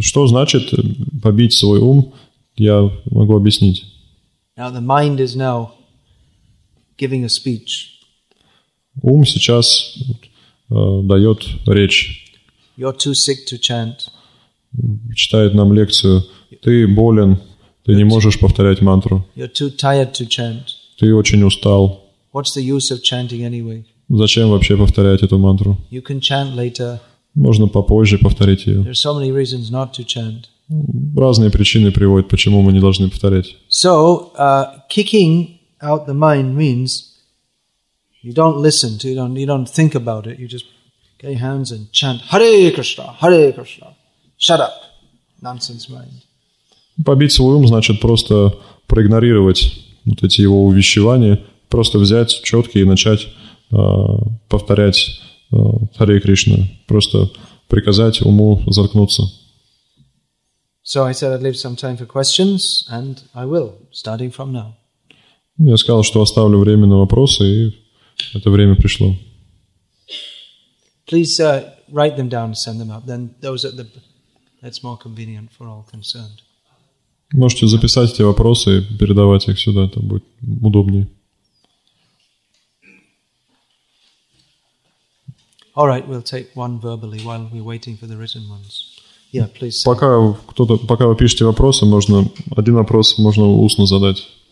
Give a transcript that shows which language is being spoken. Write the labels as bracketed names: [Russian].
[Russian] Что значит побить свой ум? Я могу объяснить. [English] Now the mind is now giving a speech. [Russian] Ум сейчас дает речь. [English] You're too sick to chant. [Russian] Читает нам лекцию. Ты болен, ты не можешь повторять мантру. [English] You're too tired to chant. [Russian] Ты очень устал. [English] What's the use of chanting anyway? [Russian] Зачем вообще повторять эту мантру? [English] You can chant later. [Russian] Можно попозже повторить ее. [English] There are so many reasons not to chant. [Russian] Разные причины приводят, почему мы не должны повторять. [English] So, kicking out the mind means you don't listen, to, you don't think about it. You just get your hands and chant Hare Krishna, shut up, nonsense mind. [Russian] Побить свой ум значит просто проигнорировать вот эти его увещевания, просто взять четкие и начать повторять Hare Krishna, просто приказать уму заткнуться. [English] So I said I'd leave some time for questions, and I will, starting from now. [Russian] Я сказал, что оставлю время на вопросы, и это время пришло. [English] Please write them down and send them up. Then those at the that's more convenient for all concerned. Можете записать эти вопросы и передавать их сюда, это будет удобнее. All right, we'll take one verbally while we're waiting for the written ones. Yeah, please. Say. [Russian] Пока вы пишете вопросы, можно один вопрос можно устно задать.